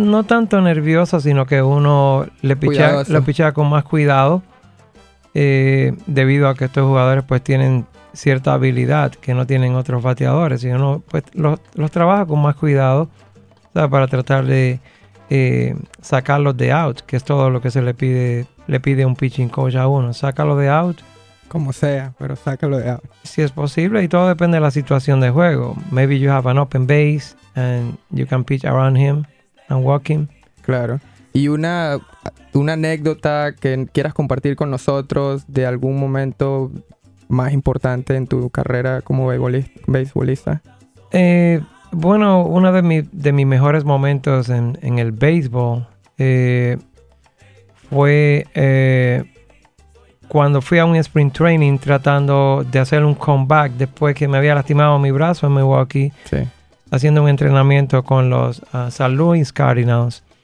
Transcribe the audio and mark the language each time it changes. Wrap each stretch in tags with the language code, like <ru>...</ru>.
<es>No tanto nervioso, sino que uno le pichea con más cuidado, debido a que estos jugadores pues tienen cierta habilidad que no tienen otros bateadores, y uno pues los trabaja con más cuidado, ¿sabes? Para tratar de sacarlos de out, que es todo lo que se le pide un pitching coach a uno, sácalo de out como sea, pero sácalo de out si es posible, y todo depende de la situación de juego.</es> <en>Maybe you have an open base and you can pitch around him and walk him.</en> <es>Claro. Y una anécdota que quieras compartir con nosotros de algún momento más importante en tu carrera como beisbolista? Bueno, uno de mis mejores momentos en el béisbol fue cuando fui a un sprint training tratando de hacer un comeback después que me había lastimado mi brazo en Milwaukee, haciendo un entrenamiento con los San Luis Cardinals.</es>